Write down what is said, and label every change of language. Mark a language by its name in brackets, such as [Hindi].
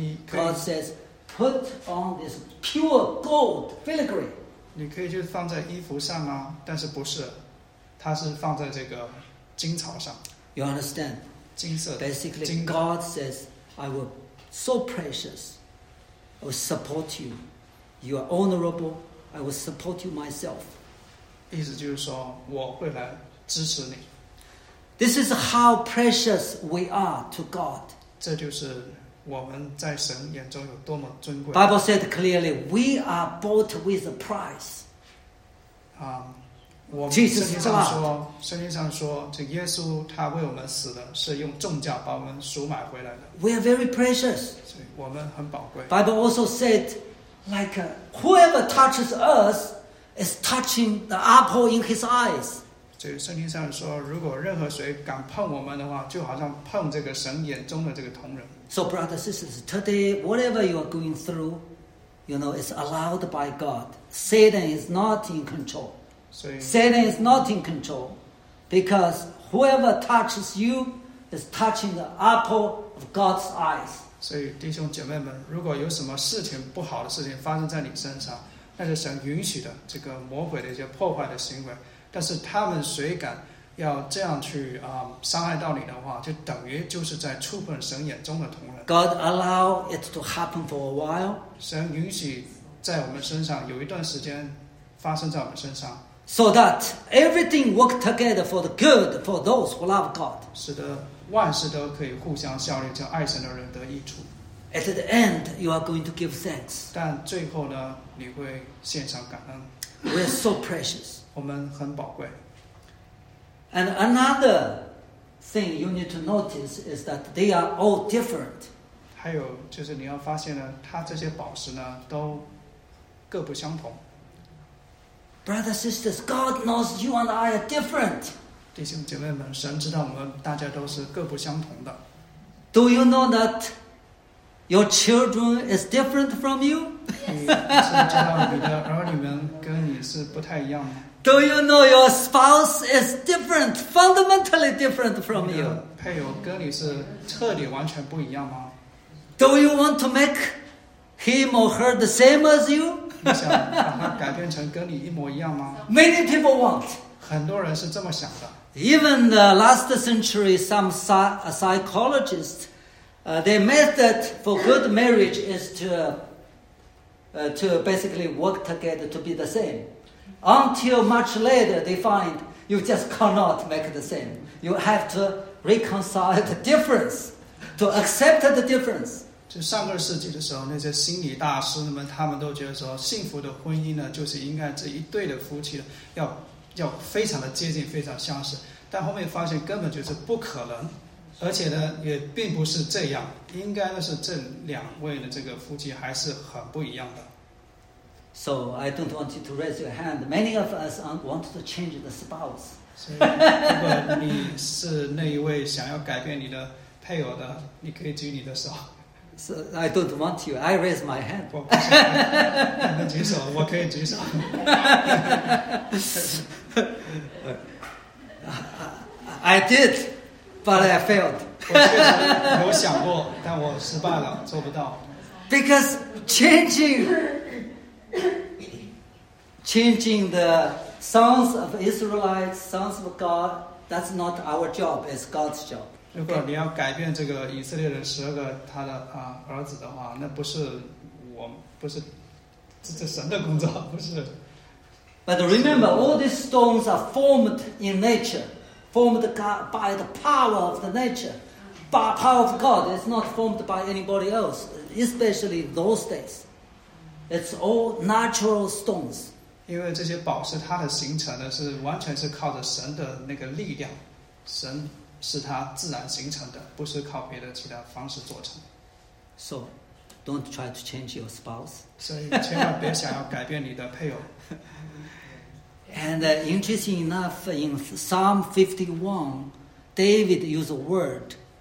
[English] God says, put on this pure gold filigree. [Chinese] 你可以就放在衣服上啊，但是不是，它是放在这个金槽上。 [English] You understand? [Chinese] 金色。 [English] Basically, God says, I will so precious, I will support you. You are honorable, I will support you myself. [Chinese] 意思就是说，我会来支持你。 [English] This is how precious we are to God. [Chinese] 这就是我们在神眼中有多么尊贵。 [English] Bible said clearly, we are bought with a price. [Chinese] 我们圣经上说，圣经上说，这耶稣他为我们死的，是用重价把我们赎买回来的。 [English] We are very precious. [Chinese] 我们很宝贵。 [English] Bible also said, like whoever touches us is touching the apple in his eyes. [Chinese] 所以圣经上说，如果任何谁敢碰我们的话，就好像碰这个神眼中的这个瞳仁。 [English] So brothers and sisters, today whatever you are going through, you know, is allowed by God. Satan is not in control. Satan is not in control because whoever touches you is touching the apple of God's eyes. [Chinese] 所以弟兄姐妹们，如果有什么事情不好的事情发生在你身上，那是神允许的，这个魔鬼的一些破坏的行为。但是他们谁敢要这样去伤害到你的话，就等于就是在触碰神眼中的同人。 [English] God allow it to happen for a while. [Chinese] 神允许在我们身上有一段时间发生在我们身上。 [English] So that everything work together for the good for those who love God. [Chinese] 使得万事都可以互相效力，叫爱神的人得益处。 [English] At the end, you are going to give thanks. [Chinese] 但最后呢，你会献上感恩。 [English] We are so precious. [Chinese] 我们很宝贵。 [English] And another thing you need to notice is that they are all different. [Chinese] 还有就是你要发现呢，它这些宝石呢都各不相同。 [English] Brothers, sisters, God knows you and I are different. [Chinese] 弟兄姐妹们，神知道我们大家都是各不相同的。 [English] Do you know that your children is different from you? [Chinese] 你知道你的儿女们跟你是不太一样吗？ [English] Do you know your spouse is different, fundamentally different from you? [Chinese] 你的配偶跟你是彻底完全不一样吗？ [English] Do you want to make him or her the same as you? [Chinese] 你想把他改变成跟你一模一样吗？ [English] Many people want. [Chinese] 很多人是这么想的。 [English] Even the last century, some psychologists, their method for good marriage is to basically work together to be the same. Until much later, they find you just cannot make the same. You have to reconcile the difference, to accept the difference. [Chinese] 就上个世纪的时候，那些心理大师们，他们都觉得说，幸福的婚姻呢，就是应该这一对的夫妻要非常的接近，非常相似。但后面发现根本就是不可能，而且呢，也并不是这样。应该呢是这两位的这个夫妻还是很不一样的。 [English] So I don't want you to raise your hand. Many of us want to change the spouse. [Chinese] 如果你是那一位想要改变你的配偶的，你可以举你的手。 [English] So I don't want you. I raise my hand. [Chinese] 我不想。你能举手，我可以举手。 [English] I did, but I failed. [Chinese] 我确实有想过，但我失败了，做不到。 [English] Because changing the sons of Israelites, sons of God, that's not our job, it's God's job. [Chinese] 如果你要改变这个以色列人十二个他的儿子的话，那不是我，不是，这是神的工作，不是。 [English] But remember, all these stones are formed in nature, formed by the power of the nature, by power of God. It's not formed by anybody else, especially those days. It's all natural stones. [Chinese] 因为这些宝石它的形成呢，是完全是靠着神的那个力量，神是它自然形成的，不是靠别的其他方式做成。 [English] So, don't try to change your spouse. [Chinese] 所以千万别想要改变你的配偶。 [English] And interesting enough, in Psalm 51, David used a word.